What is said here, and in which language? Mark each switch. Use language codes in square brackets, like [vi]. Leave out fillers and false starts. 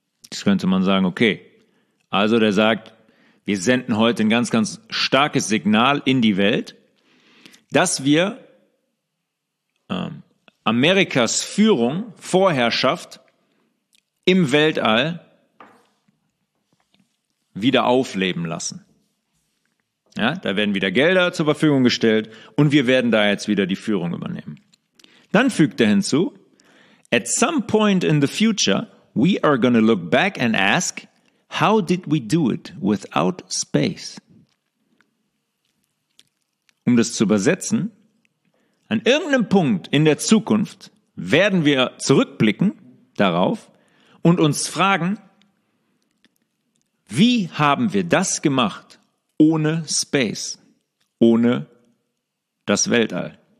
[de] Das könnte man sagen, okay, also der sagt, wir senden heute ein ganz, ganz starkes Signal in die Welt, dass wir Amerikas Führung, Vorherrschaft im Weltall wieder aufleben lassen. Ja, da werden wieder Gelder zur Verfügung gestellt und wir werden da jetzt wieder die Führung übernehmen. Dann fügt er hinzu, [en] "At some point in the future, we are going to look back and ask, how did we do it without space?" [de] Um das zu übersetzen, an irgendeinem Punkt in der Zukunft werden wir zurückblicken darauf und uns fragen, wie haben wir das gemacht ohne Space, ohne das Weltall?